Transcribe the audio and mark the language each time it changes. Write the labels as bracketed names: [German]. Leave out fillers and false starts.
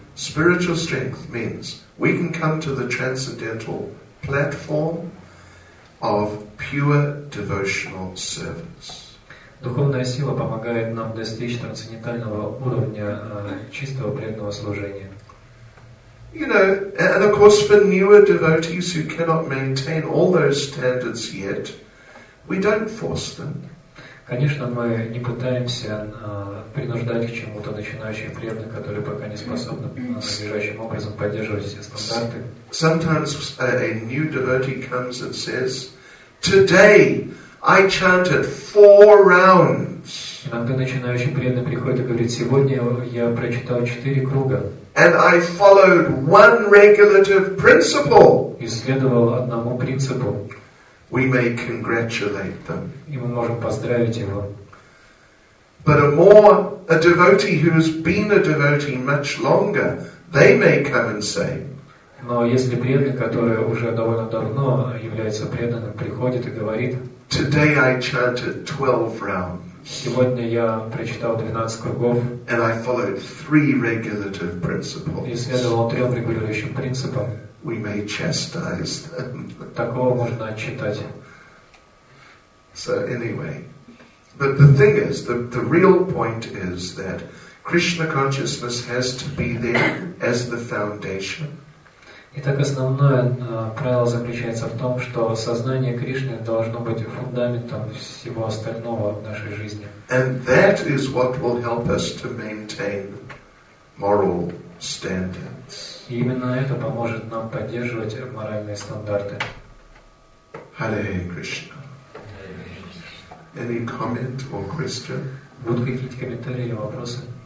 [English] Spiritual strength means we can come to the transcendental platform of pure devotional service. [Russian] Духовная сила помогает нам достичь трансцендентального уровня чистого преданного служения. [English] You know, and of course for newer devotees who cannot maintain all those standards yet, we don't force them. [Russian] Конечно, мы не пытаемся принуждать к чему-то начинающих преданных, которые пока не способны надлежащим образом поддерживать все стандарты. [English] Sometimes a new devotee comes and says, "Today I chanted 4 rounds." [Russian] Иногда начинающий преданный приходит и говорит: "Сегодня я прочитал 4 круга." [English] And I followed one regulative principle. [Russian] Исследовал одному принципу. [English] We may congratulate them. [Russian] И мы можем поздравить его. [English] But a devotee who has been a devotee much longer, they may come and say. [Russian] Но если преданный, который уже довольно давно является преданным, приходит и говорит: [English] "Today I chanted 12 rounds." [Russian] Сегодня я прочитал 12 кругов. [English] And I followed 3 regulative principles. [Russian] И следовал 3 регулирующим принципам. [English] We may chastise them. [Russian] Такого можно отчитать. [English] So anyway, but the thing is, the real point is that Krishna consciousness has to be there as the foundation. [Russian] Итак, основное правило заключается в том, что сознание Кришны должно быть фундаментом всего остального в нашей жизни. [English] And that is what will help us to maintain moral standards. [Russian] И именно это поможет нам поддерживать моральные стандарты. [English] Hare Krishna. Any comment or question? [Russian] Будут какие-то комментарии или вопросы?